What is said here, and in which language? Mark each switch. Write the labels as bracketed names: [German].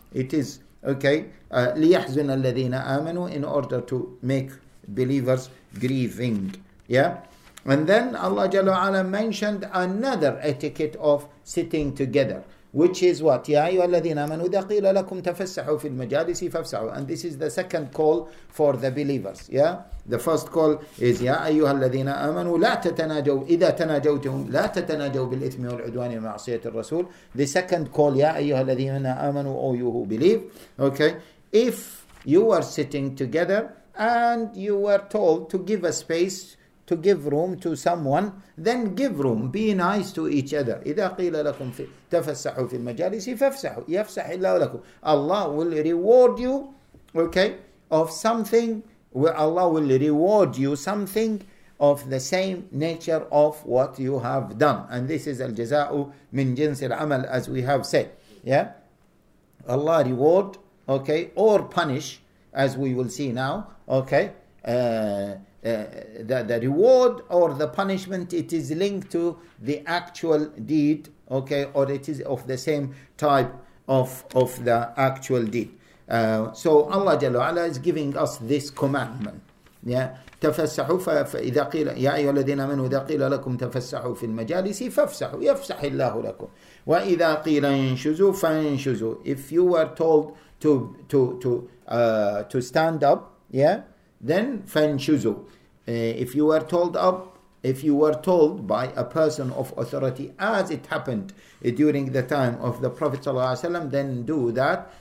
[English] It is, okay, [Arabic] لِيَحْزُنَ الَّذِينَ آمَنُوا, [English] in order to make believers grieving. Yeah? And then Allah Jalla Ala mentioned another etiquette of sitting together, which is what? [Arabic] يَا أَيُّهَا الَّذِينَ آمَنُوا إِذَا قِيلَ لَكُمْ تَفَسَّحُوا فِي الْمَجَالِسِ فَافْسَحُوا. [English] And this is the second call for the believers. Yeah? The first call is [Arabic] يَا أَيُّهَا الَّذِينَ آمَنُوا لَا تَتَنَاجَوْا إِذَا تَنَاجَوْتُهُمْ لَا تَتَنَاجَوْا بِالْإِثْمِ وَالْعُدْوَانِ وَمَعْصِيَةِ الرَّسُولِ. [English] The second call, [Arabic] يَا أَيُّهَا الَّذِينَ آمَنُوا, [English] O you who believe. Okay? If you were sitting together and you were told to give a space, to give room to someone, then give room, be nice to each other. [Arabic] إِذَا قِيلَ لَكُمْ تَفَسَّحُوا فِي الْمَجَالِسِ فَافْسَحُوا يَفْسَحِ اللَّهُ لَكُمْ. [English] Allah will reward you, okay, of something, Allah will reward you something of the same nature of what you have done. And this is [Arabic] al-jaza'u min jinsi al-amal, [English] as we have said. Yeah? Allah reward, okay, or punish, as we will see now, okay, the reward or the punishment, it is linked to the actual deed, okay, or it is of the same type of the actual deed. So Allah Jalla Ala is giving us this commandment. [Arabic] Yeah, تفسحوا فإذا قيل يا أيها الذين آمنوا إذا قيل لكم تفسحوا في المجالس فافسحوا يفسح الله لكم وإذا قيل انشزوا فانشزوا. [English] If you were told to stand up, yeah, then فانشزوا. If you were told up, if you were told by a person of authority, as it happened during the time of the Prophet sallallahu alaihi wasallam, then do that.